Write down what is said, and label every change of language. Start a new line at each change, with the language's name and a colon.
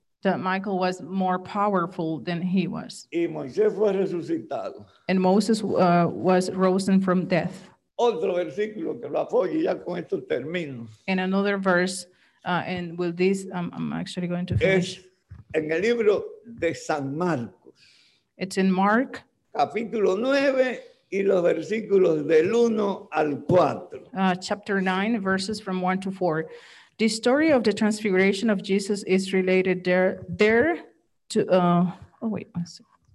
English: That Michael was more powerful than he was.
Spanish: Y Moisés fue resucitado.
English: And Moses was risen from death.
Spanish: Otro versículo que lo apoye, ya con esto termino.
English: And another verse, and with this, I'm actually going to finish.
Spanish: Es en el libro de San Marcos.
English: It's in Mark.
Spanish: Capítulo 9 y los versículos del 1 al 4.
English: Chapter 9, verses from 1 to 4. The story of the transfiguration of Jesus is related there to... oh, wait, let's see.